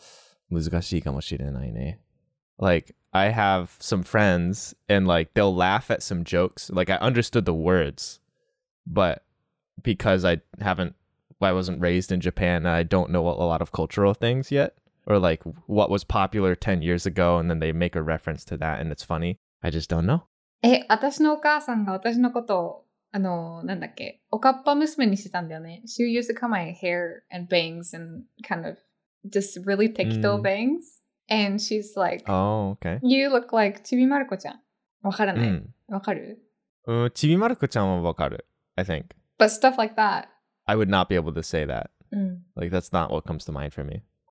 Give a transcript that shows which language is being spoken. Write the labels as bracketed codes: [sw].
[ja] そういえば、聞きながら、言葉分かっても文化がまだ難しいかもしれないね。 [en] Like, I have some friends, and, like, they'll laugh at some jokes. Like, I understood the words, but because I haven't, I wasn't raised in Japan, I don't know a lot of cultural things yet, or, like, what was popular 10 years ago, and then they make a reference to that, and it's funny. I just don't know. [ja] え、私のお母さんが私のことを、なんだっけ、おかっぱ娘にしてたんだよね。 [en] She used to cut my hair and bangs and kind of just really tekito bangs. And she's like, oh, okay. You look like Chibi Maruko-chan. [ja] わからない.わかる? [en] Chibi Maruko-chan [ja] wa wakaru, [en] I think. But stuff like that. I would not be able to say that. Like, that's not what comes to mind for me.